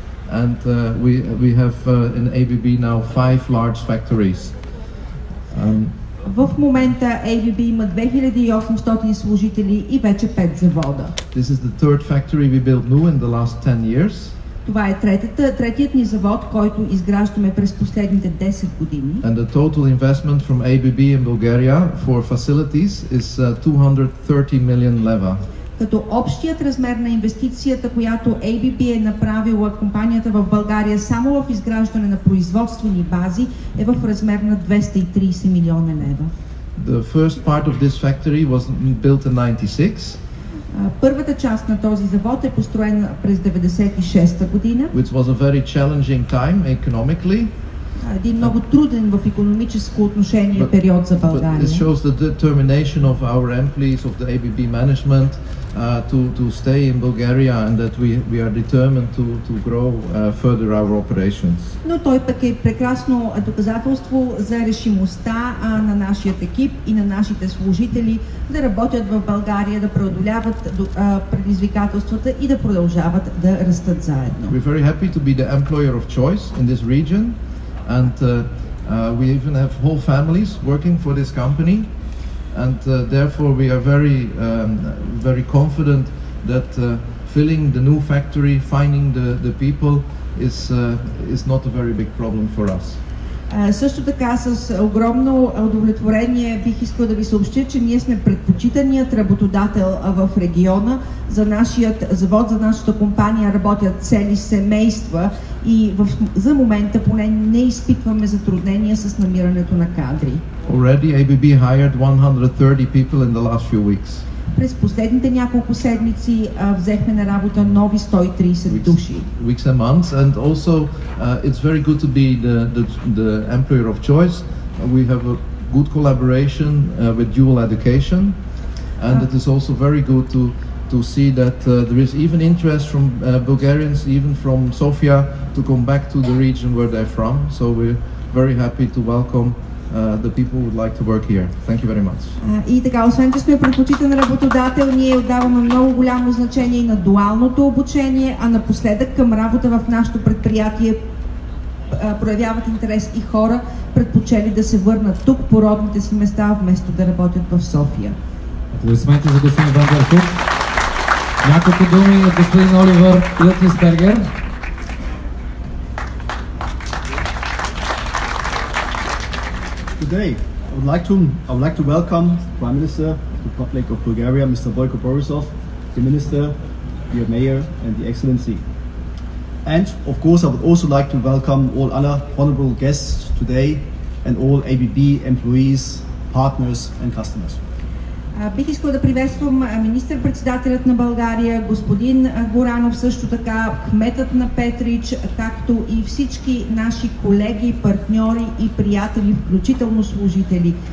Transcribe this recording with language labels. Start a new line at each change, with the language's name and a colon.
English: And we have in ABB now 5 large factories.
Bulgarian: В момента ABB има 2800 служители и вече 5 завода.
English: This is the third factory we built new in the last 10 years.
Bulgarian: Това е третият ни завод, който изграждаме през последните 10 години.
English: And the total investment from ABB in Bulgaria for facilities is 230 million leva.
Bulgarian: Като общият размер на инвестицията, която ABB е направила компанията в България само в изграждане на производствени бази, е в размер на 230 милиона лева.
English: The first part of this factory was built in 96.
Bulgarian: Първата част на този завод е построена през 96-та година.
English: Which was a very challenging time economically.
Bulgarian: Един много труден в икономическо отношение период за България.
English: But it shows the determination of our employees, of the ABB management, to stay in Bulgaria and that we are determined to grow further our operations.
Bulgarian: Но той пък е прекрасно доказателство за решимостта на нашия екип и на нашите служители да работят в България, да преодоляват предизвикателствата и да продължават да растат заедно.
English: We're very happy to be the employer of choice in this region and we even have whole families working for this company. And therefore we are very very confident that filling the new factory, finding the people is not a very big problem for us.
Bulgarian: Също така с огромно удовлетворение бих искал да ви съобщя, че ние сме предпочитаният работодател в региона. За нашият завод, за нашата компания работят цели семейства и за момента поне не изпитваме затруднения с намирането на кадри.
English: Already ABB hired 130 people in the last few weeks.
Bulgarian: През последните няколко седмици взехме на работа нови 130 души.
English: Weeks and months, and also it's very good to be the employer of choice. We have a good collaboration with Dual Education, and it is also very good to see that there is even interest from Bulgarians, even from Sofia, to come back to the region where they're from. So we're very happy to welcome the people would like to work here. Thank you very much.
Bulgarian: И така, освен че сме предпочитан работодател, ние отдаваме много голямо значение и на дуалното обучение, а напоследък към работа в нашето предприятие проявяват интерес и хора, предпочели да се върнат тук по родните си места, вместо да работят в София. Аплодисменти за господин Иван Дарков. Няколко думи от господин Оливер Лютенсбергер.
English: Today, I would like to welcome the Prime Minister of the Republic of Bulgaria, Mr. Boyko Borisov, the Minister, dear Mayor, and the Excellency. And of course, I would also like to welcome all other honorable guests today and all ABB employees, partners, and customers.
Bulgarian: Бих искал да приветствам министър-председателят на България, господин Горанов, също така кметът на Петрич, както и всички наши колеги, партньори и приятели, включително служители.